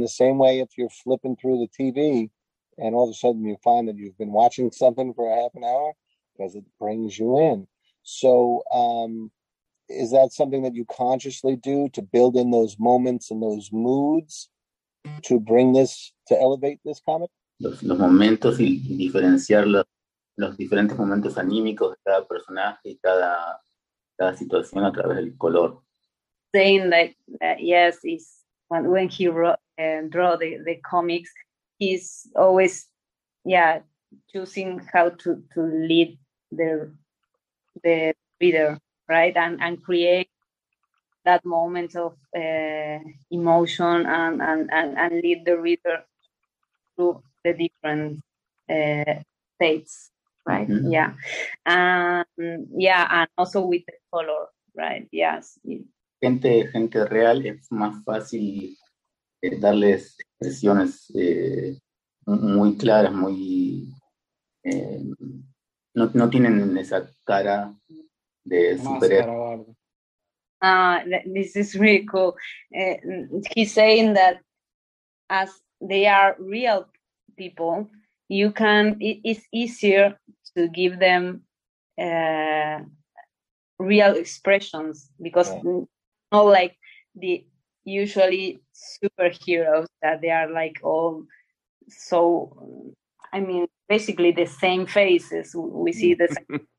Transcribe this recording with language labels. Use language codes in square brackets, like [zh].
[en] The same way if you're flipping through the TV and all of a sudden you find that you've been watching something for a half an hour, because it brings you in. So is that something that you consciously do to build in those moments and those moods to bring this, to elevate this comic? [es] Los momentos y diferenciar los diferentes momentos anímicos de cada personaje y cada situación a través del color. [en] Saying like yes, is when he wrote and draw the comics, he's always choosing how to lead the reader, right, and create that moment of emotion and lead the reader through the different states, right? Mm-hmm. And also with the color, right? Yes. [es] Gente real, es más fácil darles expresiones muy claras, muy no tienen esa cara de superhéroe. [en] This is really cool. He's saying that as they are real people, you can, it's easier to give them real expressions because not like the usually superheroes that they are like all so, I mean, basically the same faces. We see the same.